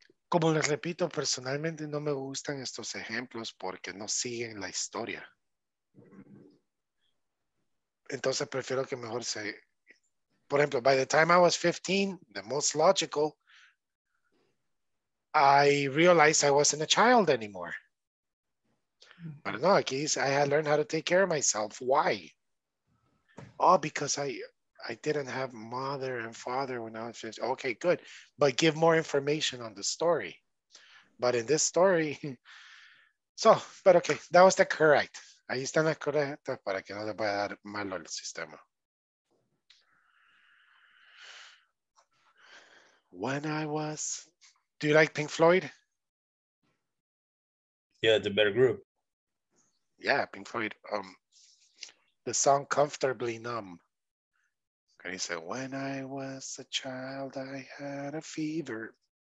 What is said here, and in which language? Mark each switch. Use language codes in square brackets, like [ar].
[es] Como les repito, personalmente no me gustan estos ejemplos porque no siguen la historia. Entonces prefiero que mejor se... Por ejemplo, [en] by the time I was 15, the most logical, I realized I wasn't a child anymore. But no, [es] aquí dice, [en] I had learned how to take care of myself. Why? Oh, because I didn't have mother and father when I was 15. Okay, good. But give more information on the story. But in this story, so, but okay, that was the correct. [es] Ahí están las correctas para que no le vaya a dar malo al sistema. [en] When I was, do you like Pink Floyd? Yeah, it's a better group. Yeah, Pink Floyd. The song Comfortably Numb. And he said, when I was a child, I had a fever.